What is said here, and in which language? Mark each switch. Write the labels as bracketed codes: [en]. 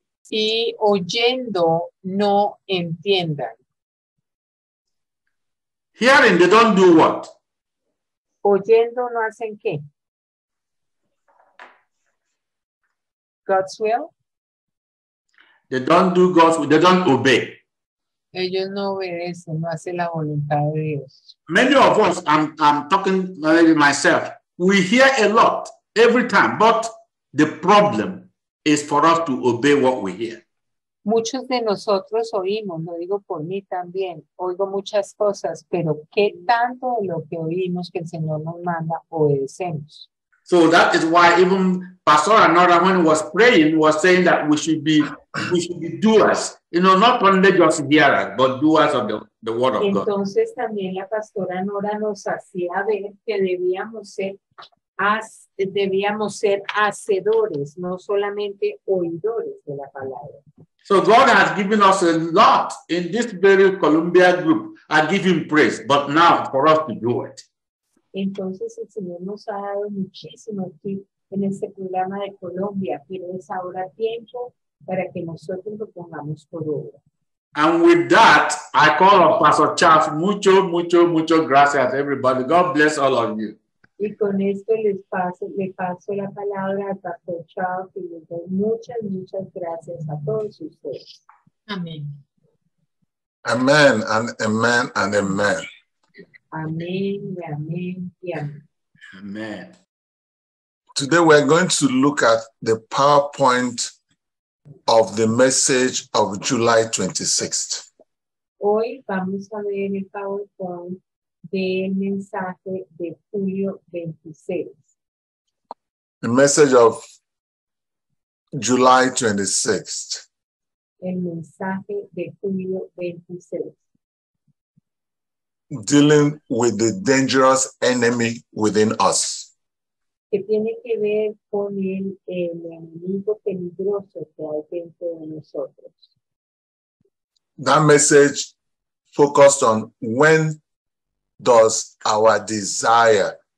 [es] Y oyendo, no entiendan. [en] Hearing, they don't do what? [es] Oyendo, no hacen qué? [en] God's will? They don't do God's will, they don't obey. [es] Ellos no obedecen, no hacen la voluntad de Dios. [en] Many of us, I'm talking maybe myself, we hear a lot every time, but the problem is for us to obey what we hear. [es] Muchos de nosotros oímos, lo digo por mí también, oigo muchas cosas, pero ¿qué tanto de lo que oímos que el Señor nos manda obedecemos? [en] So that is why even Pastor Anora, when he was praying, was saying that we should be doers. You know, not only just hearers, but doers of the word of [es] Entonces, [en] God. [es] Entonces también la Pastora Anora nos hacía ver que debíamos ser hacedores, no solamente oidores de la palabra. [en] So God has given us a lot in this very Columbia group. I give him praise, but now for us to do it. [es] Entonces el Señor nos ha dado muchísimo aquí en este programa de Colombia, pero es ahora tiempo para que nosotros lo pongamos por obra. [en] And with that, I call on Pastor Charles. Mucho, mucho, mucho gracias, everybody. God bless all of you. [es] Y con esto le paso la palabra al Pastor Charles y le doy muchas, muchas gracias a todos ustedes. Amén. [en] Amén, and amén, and amén. Amen, amen, amen. Today we are going to look at the PowerPoint of the message of July 26th. [es] Hoy vamos a ver el PowerPoint del mensaje de julio 26. [en] The message of July 26th. [es] El mensaje de julio 26. [en] Dealing with the dangerous enemy within us. [es] Que tiene que ver con el enemigo peligroso que hay dentro de nosotros. [en] That message focused on when does our desire.